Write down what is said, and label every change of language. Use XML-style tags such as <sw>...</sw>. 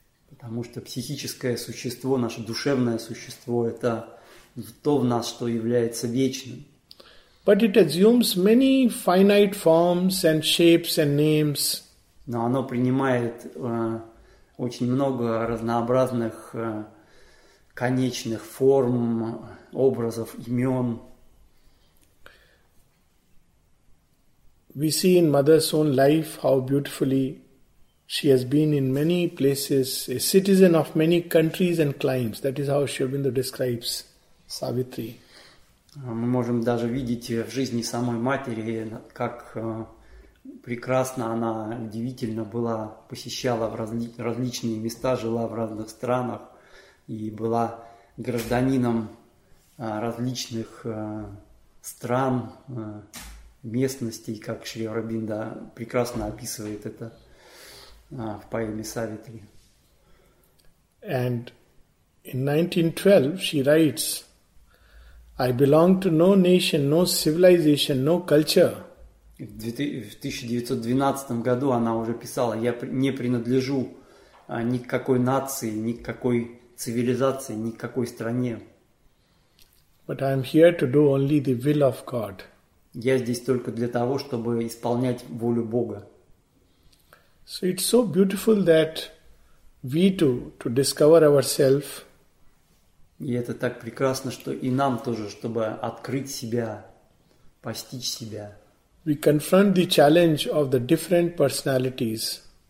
<ru>Потому что психическое существо, наше душевное существо, это то в нас, что является вечным.</ru> <en>But it assumes many finite forms and shapes and names.</en> <ru>Но оно принимает очень много разнообразных конечных форм, образов, имен.</ru> <en>We see in Mother's own life how beautifully she has been in many places, a citizen of many countries and climes. That is how Shobindu describes Savitri.</en> <ru>Мы можем даже видеть в жизни самой матери, как прекрасно она, удивительно была, посещала различные места, жила в разных странах и была гражданином различных стран, местностей, как Шри Аурабинда прекрасно описывает это в поэме Савитри.</ru> <en>And in 1912 she writes, I belong to no nation, no civilization, no culture.</en> <ru>В 1912 году она уже писала, я не принадлежу ни к какой нации, ни к какой цивилизации, ни к какой стране.</ru> <en>But I am here to do only the will of God.</en> <ru>Я здесь только для того, чтобы исполнять волю Бога.</ru> <en>So it's so beautiful that we too, to discover ourselves.</en> <ru>И это так прекрасно, что и нам тоже, чтобы открыть себя, постичь себя.</ru> <en>We confront the challenge of the different personalities.</en>